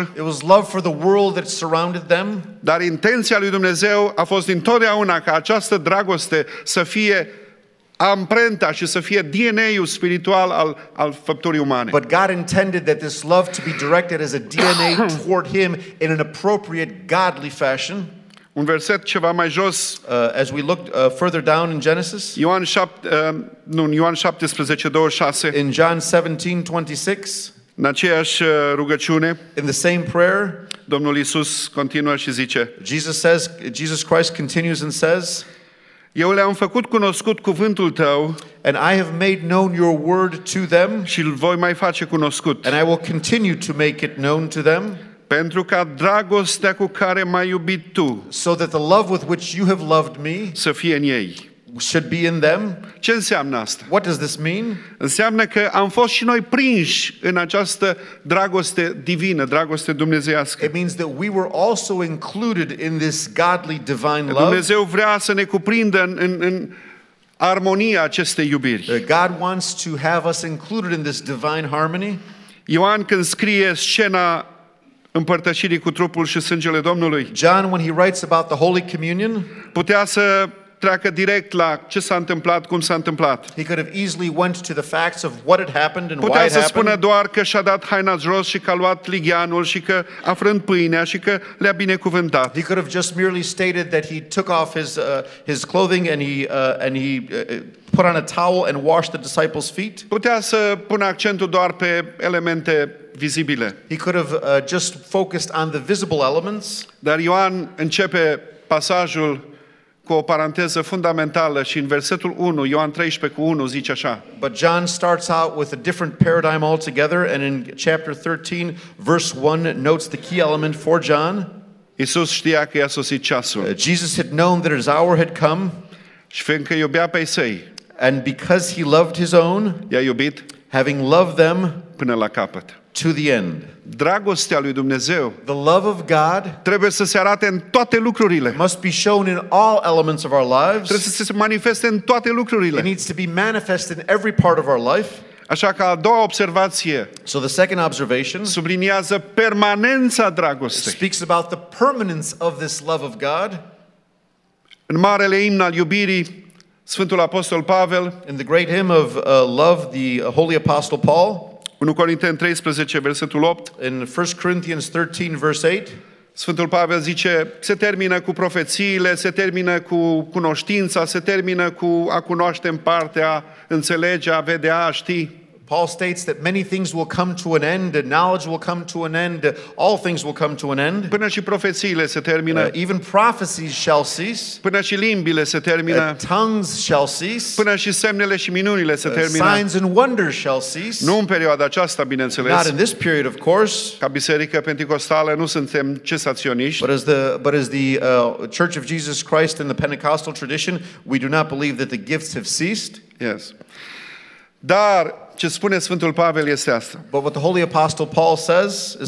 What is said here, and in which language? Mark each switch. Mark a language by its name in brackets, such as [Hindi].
[English] it was love for the world that surrounded them. [Romanian] Dar intenția lui Dumnezeu a fost întotdeauna ca această dragoste să fie amprenta și să fie DNA-ul spiritual al făpturii umane. [English] But God intended that this love to be directed as a DNA toward him in an appropriate godly fashion. [Romanian] Un verset ceva mai jos, [English] As we looked further down in Genesis. [Romanian] Ioan 17:26. [English] In John 17:26. [Romanian] În aceeași rugăciune, [English] in the same prayer, [Romanian] Domnul Iisus continuă și zice, [English] Jesus Christ continues and says, [Romanian] eu le-am făcut cunoscut cuvântul tău, [English] and I have made known your word to them, [Romanian] și îl voi mai face cunoscut, [English] and I will continue to make it known to them, [Romanian] pentru ca dragostea cu care m-ai iubit tu, [English] so that the love with which you have loved me, [Romanian] să fie în ei. [English] Should be in them. [Romanian] Ce înseamnă asta? [English] What does this mean? [Romanian] Înseamnă că am fost și noi prinși în această dragoste divină, dragoste dumnezeiască. [English] It means that we were also included in this godly divine love. [Romanian] Dumnezeu vrea să ne cuprindă în armonia acestei iubiri. [English] God wants to have us included in this divine harmony. [Romanian] Ioan când scrie scena împărtășirii cu trupul și sângele Domnului, [English] John, when he writes about the Holy Communion, [Romanian] putea să treacă direct la ce s-a întâmplat, cum s-a întâmplat. [English] He could have easily went to the facts of what had happened and [Romanian] putea [English] why it happened. [Romanian] Putea să spună doar că și-a dat haina jos și că a luat ligianul și că a frânt pâinea și că le-a binecuvântat. [English] He could have just merely stated that he took off his clothing and he put on a towel and washed the disciples' feet. [Romanian] Putea să pună accentul doar pe elemente vizibile. [English] He could have just focused on the visible elements. [Romanian] Dar Ioan începe pasajul cu o paranteză fundamentală și în versetul 1, Ioan 13:1 zice așa. [English] But John starts out with a different paradigm altogether and in chapter 13, verse 1 notes the key element for John. [Romanian] Iisus știa că i-a sosit ceasul. [English] Jesus had known that his hour had come. [Romanian] Și fiindcă iubea pe-i săi. [English] And because he loved his own, [Romanian] i-a iubit, [English] having loved them, [Romanian] până la capăt. [English] To the end. [Romanian] Dragostea lui Dumnezeu, [English] the love of God, [Romanian] trebuie să se arate în toate lucrurile. [English] Must be shown in all elements of our lives. [Romanian] Trebuie să se manifeste în toate lucrurile. [English] It needs to be manifest in every part of our life. [Romanian] Așa că a doua observație subliniază permanența dragostei. [English] Speaks about the permanence of this love of God. [Romanian] În marele imn al iubirii, Sfântul Apostol Pavel, [English] in the great hymn of love, the Holy Apostle Paul, [Romanian] 1 Corinteni 13, versetul 8, [English] in 1 Corinthians 13, verse 8, [Romanian] Sfântul Pavel zice, se termină cu profețiile, se termină cu cunoștința, se termină cu a cunoaște în parte, a înțelege, a vedea, a ști. [English] Paul states that many things will come to an end, and knowledge will come to an end, all things will come to an end. [Romanian] Până și profețiile se termină. [English] Even prophecies shall cease. [Romanian] Până și limbile se termină. [English] Tongues shall cease. [Romanian] Până și semnele și minunile se termină. [English] Signs and wonders shall cease. [Romanian] Nu în perioada aceasta, bineînțeles. [English] Not in this period, of course. [Romanian] Ca biserică pentecostală nu suntem cesaționiști. [English] But as the Church of Jesus Christ in the Pentecostal tradition, we do not believe that the gifts have ceased. Yes. [Romanian] Dar ce spune Sfântul Pavel este asta. [English] But what the Holy Apostle Paul says is